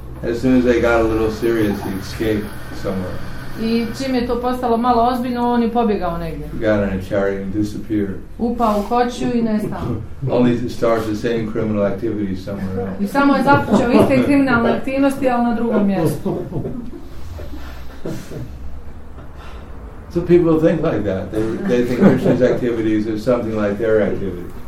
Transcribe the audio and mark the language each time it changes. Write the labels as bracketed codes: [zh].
[en] As soon as they got a little serious, he escaped somewhere. [hr] I čim je to postalo malo ozbiljno, on je pobjegao negdje. [en] Got in a chariot and disappeared. [hr] Upao u koću i nestao. [en] Only to start the same criminal activity somewhere else. [hr] I samo je započeo iste kriminalne aktivnosti, ali na drugom mjestu. [en] So people think like that. They think Krishna's activities are something like their activity.